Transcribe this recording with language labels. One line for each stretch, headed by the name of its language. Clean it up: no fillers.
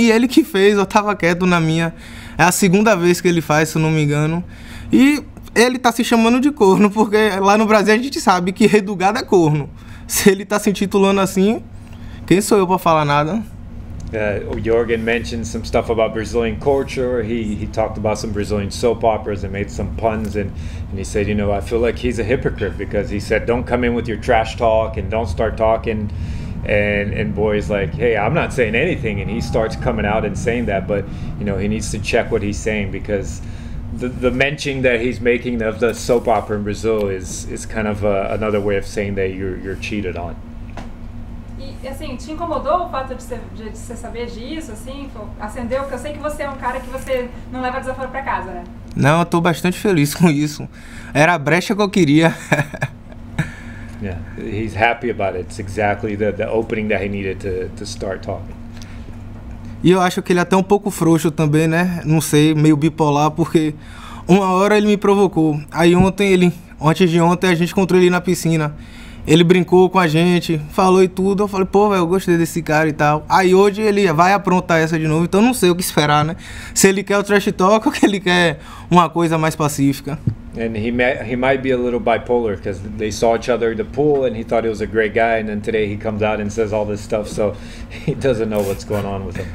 Portuguese: E ele que fez, eu tava quieto na minha. É a segunda vez que ele faz, se eu não me engano. E ele tá se chamando de corno, porque lá no Brasil a gente sabe que rei do gado é corno. Se ele tá se intitulando assim, quem sou eu para falar nada?
English: Jorgen mentioned some stuff about Brazilian culture. He talked about some Brazilian soap operas and made some puns. And he said, you know, I feel like he's a hypocrite because he said, don't come in with your trash talk and don't start talking. And boy's like, hey, I'm not saying anything. And he starts coming out and saying that. But, you know, he needs to check what he's saying because the mention that he's making of the soap opera in Brazil is kind of another way of saying that you're cheated on.
Portuguese: E assim, te incomodou o fato de você saber disso, assim, acendeu? Porque eu sei que você é um cara que você não leva desaforo pra casa, né? Não, eu tô bastante feliz com isso. Era a brecha que eu queria.
English: Yeah, he's happy about it. It's exactly the opening that he needed to start talking.
Portuguese: E eu acho que ele é até um pouco frouxo também, né? Não sei, meio bipolar, porque uma hora ele me provocou. Aí antes de ontem, a gente encontrou ele na piscina. Ele brincou com a gente, falou e tudo. Eu falei, pô, velho, eu gostei desse cara e tal. Aí hoje ele vai aprontar essa de novo, então não sei o que esperar, né? Se ele quer o trash talk ou que ele quer uma coisa mais pacífica.
English: And he might be a little bipolar because they saw each other in the pool and he thought he was a great guy and then today he comes out and says all this stuff, so he doesn't know what's going on with him.